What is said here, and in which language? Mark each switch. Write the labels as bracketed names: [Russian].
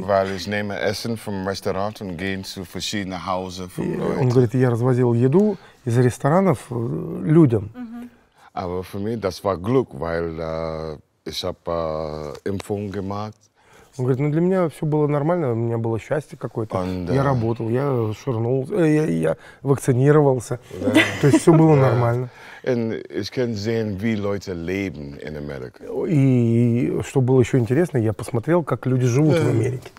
[German] Weil ich nehme Essen vom Restaurant und gehe zu verschiedenen Häusern von Leuten. [Russian] Он говорит, я развозил еду из ресторанов людям. [German] Aber für mich das war Glück, weil ich habe Impfung gemacht. [Russian] Он говорит, ну для меня все было нормально, у меня было счастье какое-то. Я работал, я швырнул, я вакцинировался. То есть все было нормально. И что было еще интересно, я посмотрел, как люди живут в Америке.